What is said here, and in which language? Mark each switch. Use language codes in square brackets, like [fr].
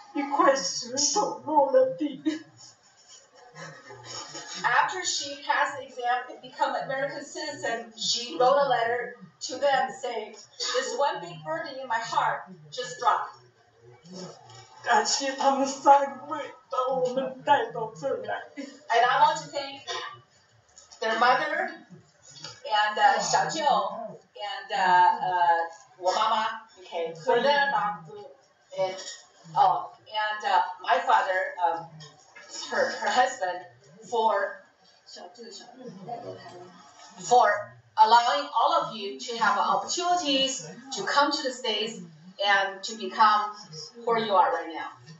[zh] 考上公民，她给我们来信，我信，一块石头落了地。 [en] After she passed the exam and become an American citizen, she wrote a letter to them saying, this one big burden in my heart just dropped. [zh] 感谢他们三位把我们带到这来。 [en] And I want to thank their mother and 小舅 and [zh] 我妈妈 [en] okay, for them and my father, her husband, for allowing all of you to have opportunities to come to the States and to become who you are right now.